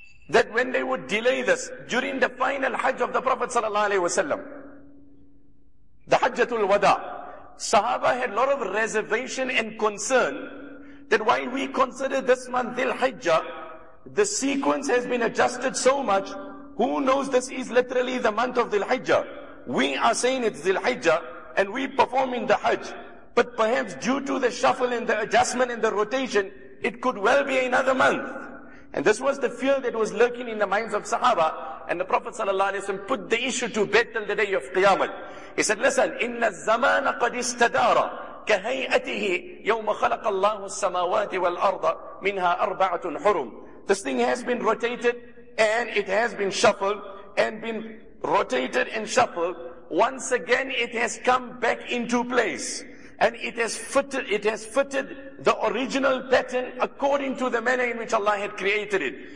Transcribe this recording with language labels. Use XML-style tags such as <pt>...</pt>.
<en>That when they would delay this, during the final Hajj of the Prophet sallallahu alaihi wasallam, the Hajjatul Wada, Sahaba had a lot of reservation and concern that while we consider this month Dhul Hijjah, the sequence has been adjusted so much, who knows this is literally the month of Dhul Hijjah. We are saying it's Dhul Hijjah and we perform in the Hajj. But perhaps due to the shuffle and the adjustment and the rotation, it could well be another month. And this was the fear that was lurking in the minds of Sahaba. And the Prophet sallallahu alaihi wasallam put the issue to bed till the day of Qiyamah. He said, listen,</en> <ar>إِنَّ الزَّمَانَ قَدِ اسْتَدَارَ كَهَيْئَتِهِ يَوْمَ خَلَقَ اللَّهُ السَّمَاوَاتِ وَالْأَرْضَ مِنْهَا أَرْبَعَةٌ حُرُمٌ.</ar> <en>This thing has been rotated and it has been shuffled and been rotated and shuffled. Once again, it has come back into place. And it has fitted the original pattern according to the manner in which Allah had created it.</en>